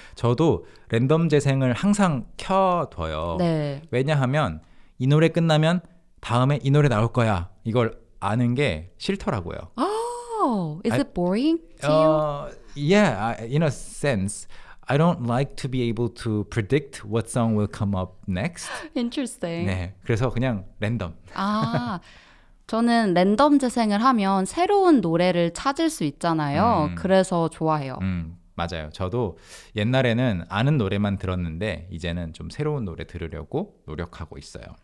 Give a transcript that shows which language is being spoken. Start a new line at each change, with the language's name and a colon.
Korean: 저도 랜덤 재생을 항상 켜둬요. 네. 왜냐하면 이 노래 끝나면 다음에 이 노래 나올 거야. 이걸 아는 게 싫더라고요.
English: Oh, is it boring to you? Yeah, in a sense. I don't like to be able to predict what song will come up next. Interesting.
Korean: 네, 그래서 그냥 랜덤. 아, 저는 랜덤 재생을 하면 새로운 노래를 찾을 수 있잖아요. 그래서 좋아해요. 맞아요. 저도 옛날에는 아는 노래만 들었는데 이제는 좀 새로운 노래 들으려고 노력하고 있어요.